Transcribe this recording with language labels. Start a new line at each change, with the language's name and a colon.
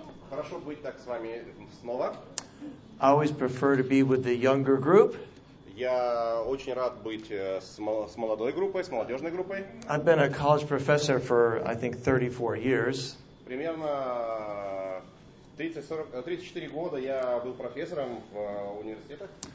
Russian: Хорошо быть так с вами снова.
English: I always prefer to be with the younger group.
Russian: Я очень рад быть с молодой группой, с молодежной группой.
English: I've been a college professor for, I think, 34 years.
Russian: Примерно 34 года я был профессором в университетах.